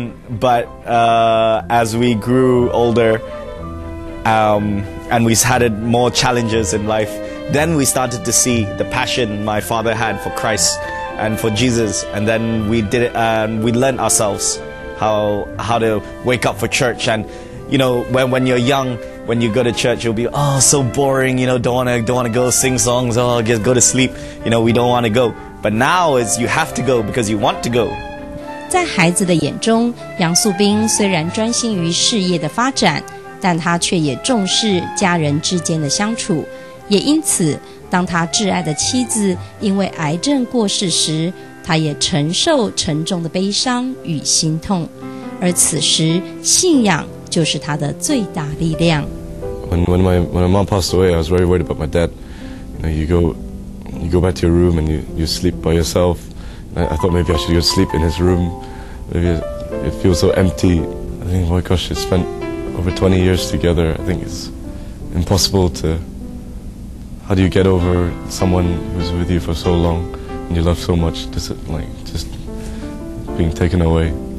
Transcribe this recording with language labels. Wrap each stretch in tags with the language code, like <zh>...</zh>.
<en>But as we grew older, and we've had more challenges in life, then we started to see the passion my father had for Christ and for Jesus, and then we did it, and we learned ourselves how to wake up for church. And you know, when you're young, when you go to church, you'll be, oh, so boring, you know, don't want to go sing songs, oh, just go to sleep, you know, we don't want to go. But now is you have to go because you want to go.</en> <zh>在孩子的眼中，杨素斌虽然专心于事业的发展，但他却也重视家人之间的相处。也因此，当他挚爱的妻子因为癌症过世时，他也承受沉重的悲伤与心痛。而此时，信仰就是他的最大力量。</zh> <en>When my mom passed away, I was very worried about my dad. You know, you go back to your room and you sleep by yourself. I thought maybe I should go sleep in his room. Maybe it feels so empty. I think, oh my gosh, it's spent over 20 years together. I think it's impossible to. How do you get over someone who's with you for so long and you love so much, just being taken away?</en>